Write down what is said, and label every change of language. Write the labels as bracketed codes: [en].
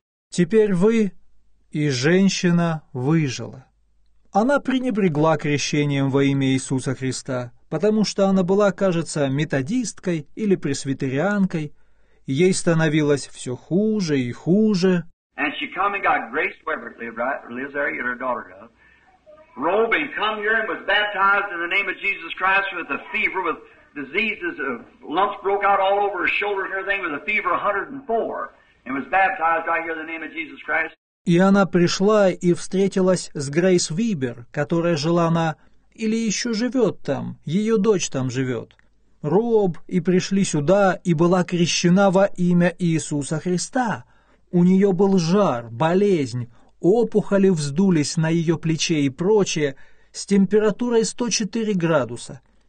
[ru] Теперь вы и женщина выжила. Она пренебрегла крещением во имя Иисуса Христа, потому что она была, кажется, методисткой или пресвитерианкой. Ей становилось все хуже и хуже. [en] And she come and got Grace Weber lives there, and her daughter does. Robin come here and was baptized in the name of Jesus Christ with a fever, with diseases of lumps broke out all over his shoulders and everything with a fever 104 and was baptized right here in the name of Jesus Christ. [ru] И она пришла и встретилась с Грейс Вибер, которая жила на... или еще живет там, ее дочь там живет. Роб, и пришли сюда, и была крещена во имя Иисуса Христа. У нее был жар, болезнь, опухоли вздулись на ее плече и прочее, с температурой 104 градуса.